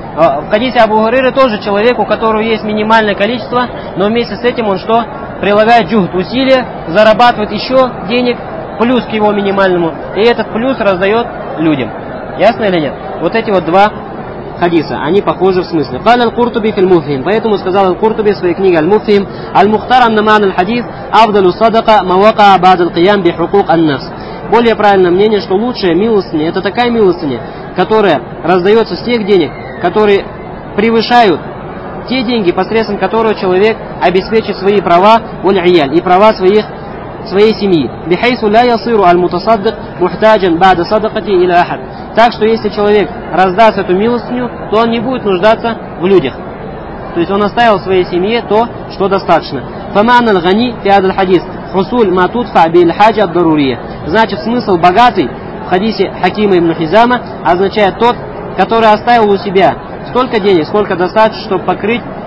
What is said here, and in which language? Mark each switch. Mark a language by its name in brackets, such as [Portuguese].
[Russian] В хадисе Абу Хурейры тоже человек, у которого есть минимальное количество, но вместе с этим он что? Прилагает джухд, усилия, зарабатывает еще денег, плюс к его минимальному, и этот плюс раздает людям. Ясно или нет? Вот эти вот два хадиса, они похожи в смысле. [Arabic] قال القرطبي في المفهم. [Russian] Поэтому сказал [Arabic] القرطبي [Russian] в своей книге [Arabic] المفهم: المختار أن معنى الحديث أفضل الصدقة ما وقع بعد القيام بحقوق النفس. [Russian] Более правильное мнение, что лучшая милостыня – это такая милостыня, которая раздается с тех денег, которые превышают те деньги, посредством которых человек обеспечит свои права والعيال и права своей семьи. [Arabic] بحيث لا يصير المتصدق محتاجا بعد صدقته إلى أحد. [Russian] Так что если человек раздаст эту милостыню, то он не будет нуждаться в людях. То есть он оставил своей семье то, что достаточно. [Arabic] فَمَعْنَ الْغَنِي فِي هَذَا الْحَدِيثِ حُصُولْ مَا تُدْفَعْ بِالْحَاجَ الضَّرُورِيَةِ. [Russian] Значит, смысл «богатый» в хадисе Хакима ибн Хизама означает тот, который оставил у себя столько денег, сколько достаточно, чтобы покрыть